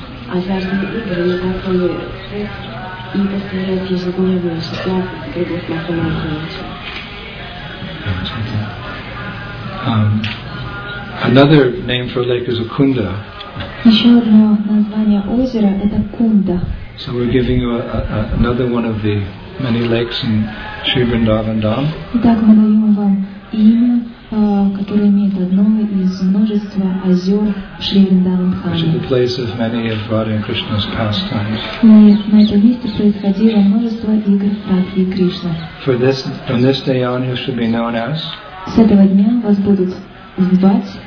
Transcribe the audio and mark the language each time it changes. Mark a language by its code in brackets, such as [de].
[ru] Азартные игры, незаконные и постараюсь ежедневно 16 кругов Махамантры. [en] Another name for a lake is a Kunda. [ru] Еще одно название озера это Кунда. [en] So we're giving you another one of the many lakes in Sri Vrindavan Dham. [ru] Итак, мы даем вам имя, которое имеет одно из множества озер Шри Вриндаван Дхаме. [en] Which is the place of many of Radha and Krishna's pastimes. [ru] И на этом месте происходило множество игр Радхи и Кришны. [en] For this, from this day on, you should be known as. [ru] С этого дня вас будут звать